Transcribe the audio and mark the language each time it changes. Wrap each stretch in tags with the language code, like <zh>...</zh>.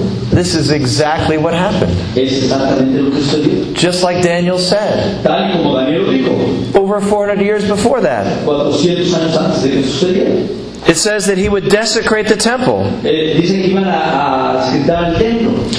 <en>this is exactly what happened.</en> <es>Es exactamente lo que sucedió.</es> <en>Just like Daniel said.</en> <es>Tal y como Daniel dijo.</es> <en>Over 400 years before that.</en> <es>400 años antes de que sucediera.</es> <en>It says that he would desecrate the temple.</en> <es>Dice que iban a desecrar el templo.</es>